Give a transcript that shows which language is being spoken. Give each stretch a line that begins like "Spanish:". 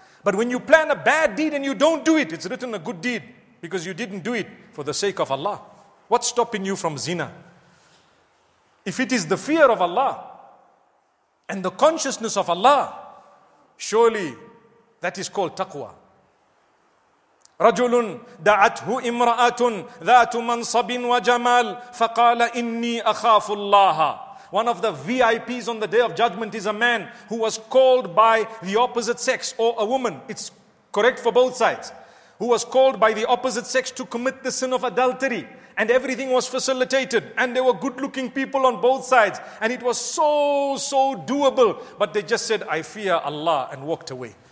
English: But when you plan a bad deed and you don't do it, it's written a good deed because you didn't do it for the sake of Allah. What's stopping you from zina? If it is the fear of Allah and the consciousness of Allah, surely that is called taqwa.
Arabic: رجل دعته امرأة ذات منصب وجمال فقال إني أخاف الله.
English: One of the VIPs on the day of judgment is a man who was called by the opposite sex, or a woman, it's correct for both sides, who was called by the opposite sex to commit the sin of adultery. And everything was facilitated, and there were good looking people on both sides, and it was so doable, but they just said, I fear Allah, and walked away.